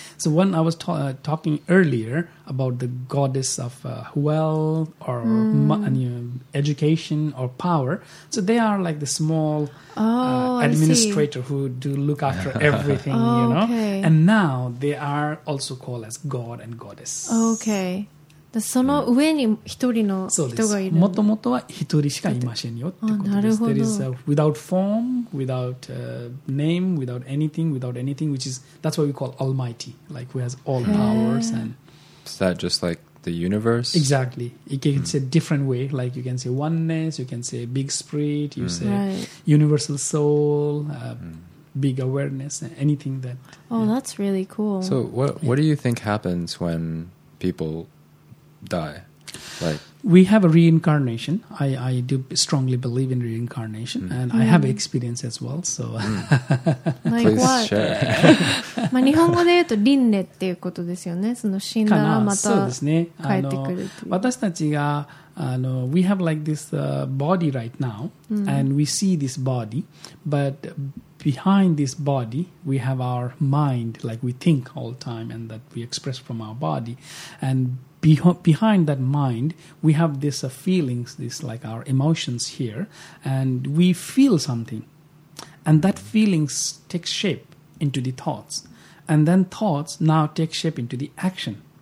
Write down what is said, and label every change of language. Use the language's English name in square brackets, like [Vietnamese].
[English] So when I was talking earlier about the goddess of wealth or education or power, so they are like the small administrator who do look after everything, oh, you know? Okay. And now they are also called as god and goddess. Okay. [Japanese] その上に一人の人がいる。もともとは一人しかいませんよってことです。なるほど。 [English] There is a without form, without name, without anything, which is, that's what we call almighty, like who has all powers and... Is that just like the universe? Exactly. You can say different way, like you can say oneness, you can say big spirit, you say universal soul, big awareness, anything that... That's really cool. So what do you think happens when people... die, like we have a reincarnation. I do strongly believe in reincarnation, and I have experience as well. So, like please what? Share. [Japanese] まあ日本語で言うと輪廻っていうことですよね。その死んだらまた帰ってくる。私たちが [English] We have like this body right now, and we see this body, but behind this body, we have our mind, like we think all the time, and that we express from our body, and behind that mind, we have this feelings, this like our emotions here, and we feel something, and that feelings take shape into the thoughts, and then thoughts now take shape into the action.